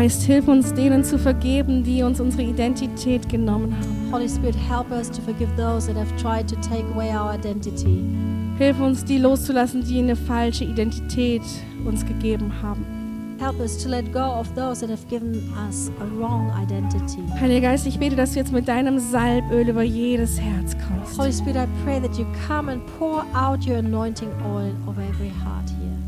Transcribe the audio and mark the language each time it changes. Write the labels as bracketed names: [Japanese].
[German] Hilf uns, denen zu vergeben, die uns unsere Identität genommen haben. [English] Holy Spirit, help us to forgive those that have tried to take away our identity. [German] Hilf uns, die loszulassen, die eine falsche Identität uns gegeben haben. [English] Help us to let go of those that have given us a wrong identity. [German] Heiliger Geist, ich bete, dass du jetzt mit deinem Salböl über jedes Herz kommst. [English] Holy Spirit, I pray that you come and pour out your anointing oil over every heart here.